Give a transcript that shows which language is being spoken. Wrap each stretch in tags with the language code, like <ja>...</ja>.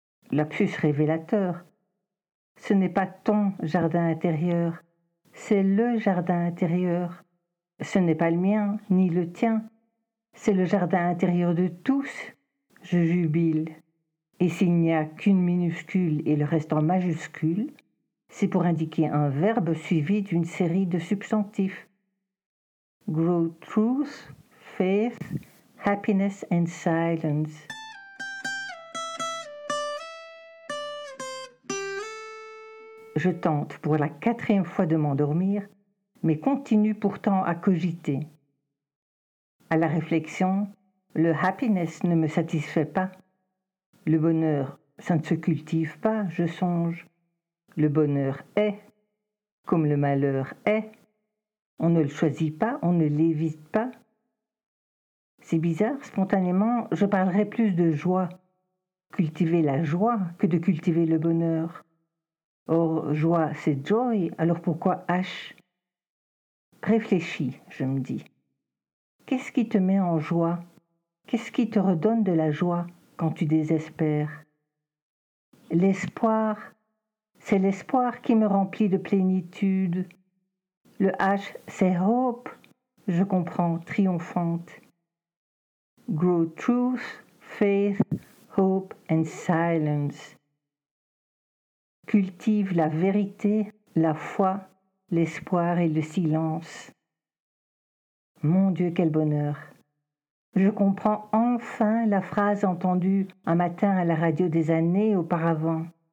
<fr>Lapsus révélateur. Ce n'est pas ton jardin intérieur, c'est le jardin intérieur. Ce n'est pas le mien, ni le tien. C'est le jardin intérieur de tous. Je jubile. Et s'il n'y a qu'une minuscule et le reste en majuscule, c'est pour indiquer un verbe suivi d'une série de substantifs.</fr> <en>Grow truth, faith, happiness and silence.</en> <fr>Je tente pour la 4e fois de m'endormir, mais continue pourtant à cogiter. À la réflexion, le happiness ne me satisfait pas. Le bonheur, ça ne se cultive pas, je songe. Le bonheur est, comme le malheur est, On ne le choisit pas, on ne l'évite pas. C'est bizarre, spontanément, je parlerai plus de joie, cultiver la joie, que de cultiver le bonheur. Or, joie, c'est joy, alors pourquoi H ? Réfléchis, je me dis. Qu'est-ce qui te met en joie ? Qu'est-ce qui te redonne de la joie quand tu désespères ? L'espoir, c'est l'espoir qui me remplit de plénitude. Le H, c'est hope, je comprends, triomphante.</fr> <en>Grow truth, faith, hope and silence.</en> <fr>Cultive la vérité, la foi, l'espoir et le silence. Mon Dieu, quel bonheur! Je comprends enfin la phrase entendue un matin à la radio des années auparavant.</fr>